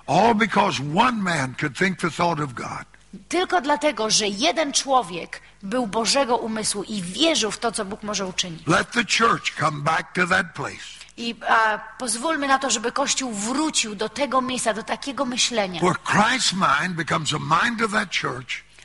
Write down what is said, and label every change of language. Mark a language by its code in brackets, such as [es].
[en] All because one man could think the thought of God. [pl] Tylko dlatego, że jeden człowiek był Bożego umysłu i wierzył w to, co Bóg może uczynić. [en] Let the church come back to that place. [pl] I pozwólmy na to, żeby Kościół wrócił do tego miejsca, do takiego myślenia. [en] Where Christ's mind becomes a mind of that church.